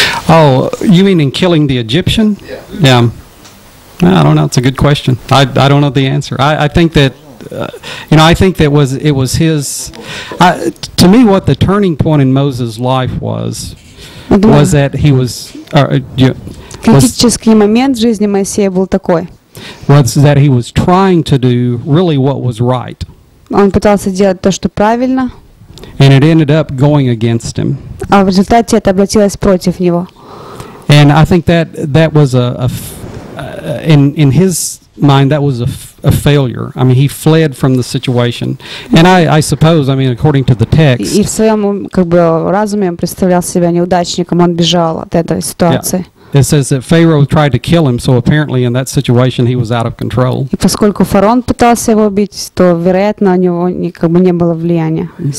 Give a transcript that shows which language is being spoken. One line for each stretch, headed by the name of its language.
English: Oh, you mean in killing the Egyptian? Yeah. Yeah. I don't know. It's a good question. I don't know the answer. I think that to me what the turning point in Moses' life was that he was
Russian: критический момент в жизни Моисея был такой.
English: Was that he was trying to do really what was right.
Russian: Он пытался делать то, что правильно.
English: And it ended up going against him.
Russian: А в результате это обратилось против него.
English: And I think that was in his mind that was a failure. I mean, he fled from the situation. And I suppose, I mean, according to the text.
Russian: И в своем как бы разуме он представлял себя неудачником, он бежал от этой ситуации.
English: It says that Pharaoh tried to kill him, so apparently in that situation he was out of control.
Russian: И поскольку фараон пытался его убить, то вероятно, у него как бы не было влияния.